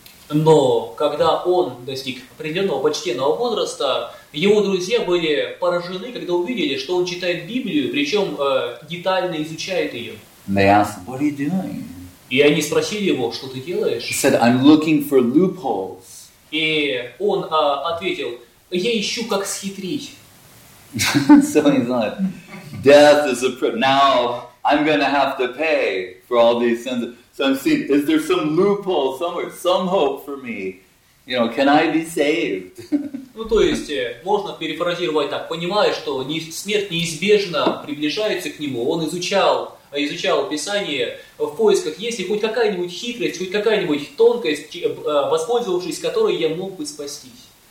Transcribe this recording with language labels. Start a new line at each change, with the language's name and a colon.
Russian: Но когда он достиг определенного почтенного возраста, его друзья были поражены, когда увидели, что он читает Библию, причем детально изучает ее.
English: They asked, what are you doing?
Russian: И они спросили его, что ты делаешь?
English: He said, I'm looking for loopholes.
Russian: И он ответил, я ищу, как схитрить.
English: So he thought, death is a now I'm going to have to pay for all these sins. So I'm seeing, is there some loophole somewhere, some hope for me? You know, can I be saved?
Russian: Ну, то есть, можно перефразировать так, понимая, что смерть неизбежно приближается к нему. Он изучал Писание в поисках, есть ли хоть какая-нибудь хитрость, хоть какая-нибудь тонкость, воспользовавшись которой я мог бы спастись.